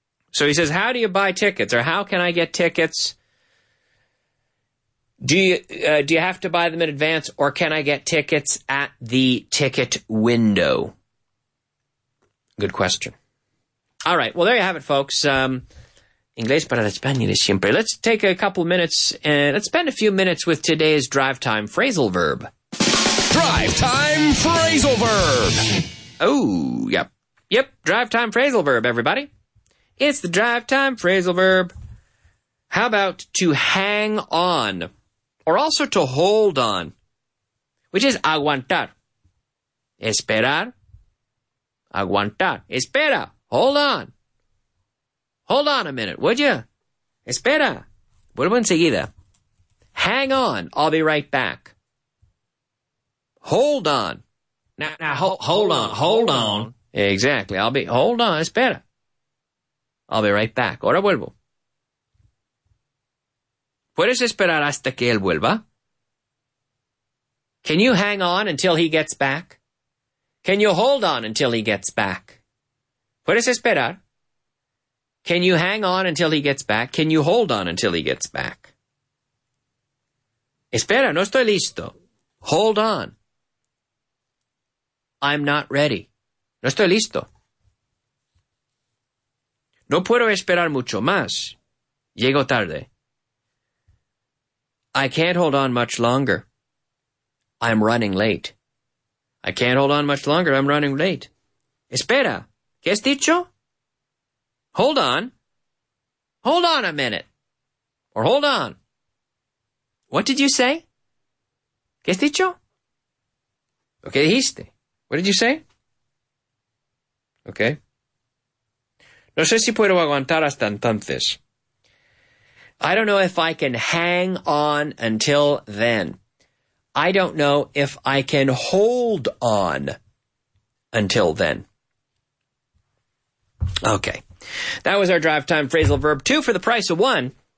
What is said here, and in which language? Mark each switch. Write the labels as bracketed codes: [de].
[en] So he says, how do you buy tickets? Or how can I get tickets? Do you have to buy them in advance? Or can I get tickets at the ticket window? Good question. All right. Well, there you have it, folks. [es] Inglés para la España de siempre. [en] Let's take a couple minutes and let's spend a few minutes with today's drive time phrasal verb. Drive time phrasal verb. Oh, yep. Yep. Drive time phrasal verb, everybody. It's the drive time phrasal verb. How about to hang on or also to hold on, which is aguantar. [es] Esperar. Aguantar. Espera. [en] Hold on. Hold on a minute, would you? [es] Espera. Vuelvo enseguida. [en] Hang on. I'll be right back. Hold on. Now hold on. Hold on. Exactly. Hold on. [es] Espera. [en] I'll be right back. [es] Ahora vuelvo. ¿Puedes esperar hasta que él vuelva? [en] Can you hang on until he gets back? Can you hold on until he gets back? [es] ¿Puedes esperar? [en] Can you hang on until he gets back? Can you hold on until he gets back? [es] Espera, no estoy listo. [en] Hold on. I'm not ready. [es] No estoy listo. No puedo esperar mucho más. Llego tarde. [en] I can't hold on much longer. I'm running late. I can't hold on much longer. I'm running late. [es] Espera. ¿Qué has dicho? [en] Hold on. Hold on a minute. Or hold on. What did you say? [es] ¿Qué has dicho? ¿O qué dijiste? [en] What did you say? Okay. [es] No sé si puedo aguantar hasta entonces. [en] I don't know if I can hang on until then. I don't know if I can hold on until then. Okay. That was our drive time phrasal verb 2 for the price of 1.